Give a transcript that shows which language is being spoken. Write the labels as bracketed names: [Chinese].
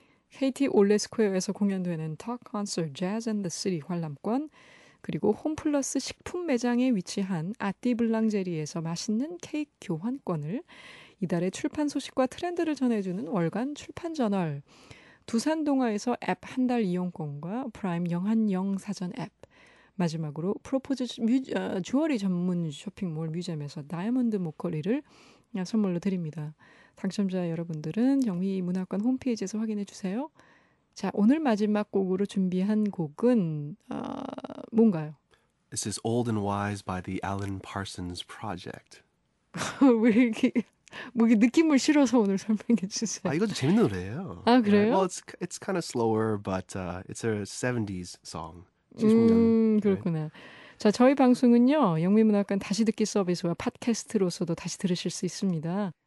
[Korean] KT 올레 스퀘어에서 공연되는 Talk Concert Jazz and the City 관람권, 그리고 홈플러스 식품 매장에 위치한 아띠 블랑제리에서 맛있는 케이크 교환권을, 이달의 출판 소식과 트렌드를 전해주는 월간 출판 저널, 두산동화에서 앱 한 달 이용권과 프라임 영한영 사전 앱, 마지막으로 프로포즈 주얼리 전문 쇼핑몰 뮤지엄에서 다이아몬드 목걸이를 선물로 드립니다. 당첨자 여러분들은 영미문학관 홈페이지에서 확인해 주세요. 자, 오늘 마지막 곡으로 준비한 곡은 뭔가요? [English] This is Old and Wise by the Alan Parsons Project. [Korean] 왜 이렇게... 뭐 느낌을 실어서 오늘 설명해 주세요. 아, 이것도 재밌는 노래예요. 아, 그래요? [English] Yeah. Well, it's kind of slower, but it's a 70s song. [Korean] 그렇구나. [English] Right? [Korean] 자, 저희 방송은요, 영미문학관 다시 듣기 서비스와 팟캐스트로서도 다시 들으실 수 있습니다.